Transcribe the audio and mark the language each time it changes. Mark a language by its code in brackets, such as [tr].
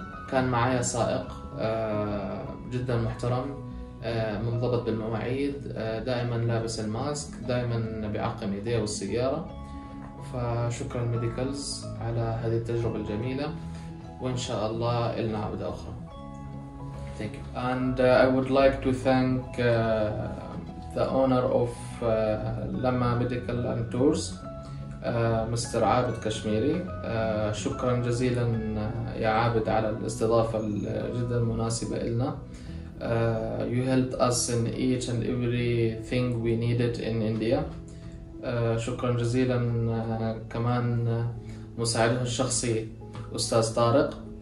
[ar] كان معايا سائق جدا محترم, منضبط بالمواعيد, دائما لابس الماسك, دائما بيعقم يديه والسيارة. فشكرا ميديكلز على هذه التجربة الجميلة, وإن شاء الله لنا عودة أخرى. [en] Thank you. And I would like to thank the owner of Lama Medical and Tours, Mr. [ar] عابد كشميري. شكرا جزيلا يا عابد على الاستضافة جدا مناسبة لنا. [en] You helped us in each and every thing we needed in India. [ar] شكرا جزيلا كمان مساعده الشخصي أستاذ طارق.